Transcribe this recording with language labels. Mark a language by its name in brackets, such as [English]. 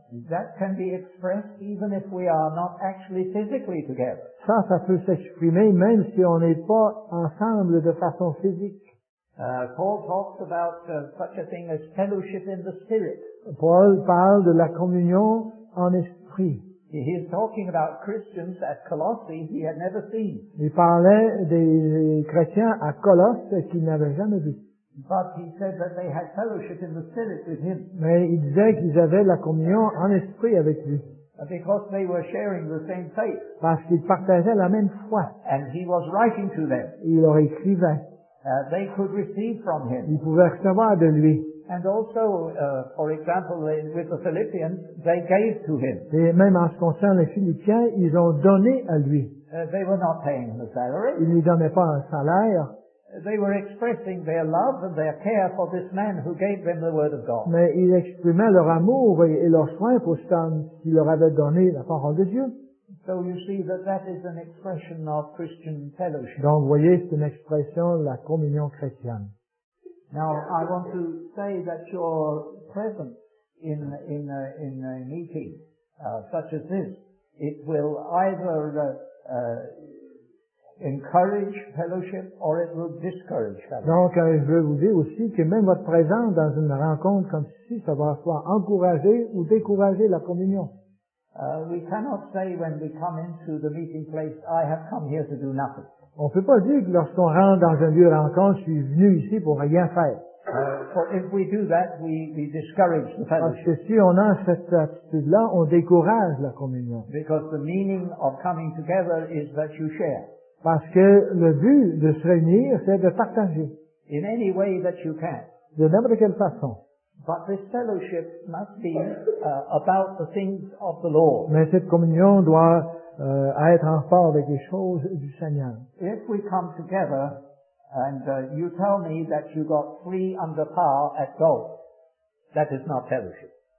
[English] That can be expressed even if we are not actually physically together. [French] Ça peut s'exprimer même si on n'est pas ensemble de façon physique. [English] Paul talks about such a thing as fellowship in the spirit. [French] Paul parle de la communion en esprit. [English] He is talking about Christians at Colossae he had never seen. [French] Il parlait des chrétiens à Colosse qu'il n'avait jamais vus. [English] But he said that they had fellowship in the spirit with him. [French] Mais il disait qu'ils avaient la communion en esprit avec lui. [English] Because they were sharing the same faith. [French] Parce qu'ils partageaient la même foi. [English] And he was writing to them. [French] Il leur écrivait. [English] They could receive from him. [French] Ils pouvaient recevoir de lui. [English] And also, for example, with the Philippians, they gave to him. [French] Et même en ce concernant les Philippiens, ils ont donné à lui. [English] They were not paying him a salary. [French] Ils ne lui donnaient pas un salaire. [English] They were expressing their love and their care for this man who gave them the word of God. [French] Mais ils exprimaient leur amour et leur soin pour cet homme qui leur avait donné la parole de Dieu. [English] So you see that is an expression of Christian fellowship. [French] Donc vous voyez, c'est une expression de la communion chrétienne. [English] Now I want to say that your presence in a meeting such as this, it will either encourage fellowship or it will discourage fellowship. [French] Donc, je veux vous dire aussi que même votre présence dans une rencontre comme ceci, ça va soit encourager ou décourager la communion. [English] We cannot say when we come into the meeting place, I have come here to do nothing. [French] On peut pas dire que lorsqu'on rentre dans un lieu de rencontre, je suis venu ici pour rien faire. [English] For if we do that, we discourage the fellowship. [French] Parce que si on a cette attitude-là, on décourage la communion. [English] Because the meaning of coming together is that you share. [French] Parce que le but de se réunir, c'est de partager. [English] In any way that you can. [French] De n'importe quelle façon. [English] But this fellowship must be about the things of the Lord. [French] Mais cette communion doit être en rapport avec les choses du Seigneur. [English] If we come together and you tell me that you got three under par at golf, that is not fellowship.